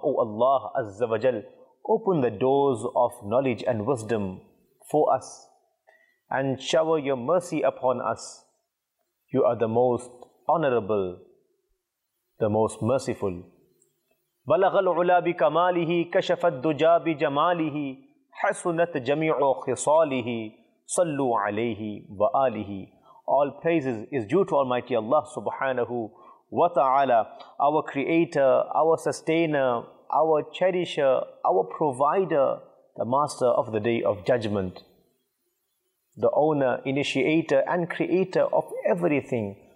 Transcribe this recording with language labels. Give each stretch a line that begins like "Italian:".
English: O Allah azza wa jal, open the doors of knowledge and wisdom for us and shower your mercy upon us. You are the most honorable, the most merciful.
Arabic: بلغ العلا بكماله كشف الدجى بجماله حسنت جميع خصاله صلوا عليه وآله.
English: All praises is due to Almighty Allah subhanahu wa ta'ala, our creator, our sustainer, our cherisher, our provider, the master of the day of judgment, the owner, initiator and creator of everything.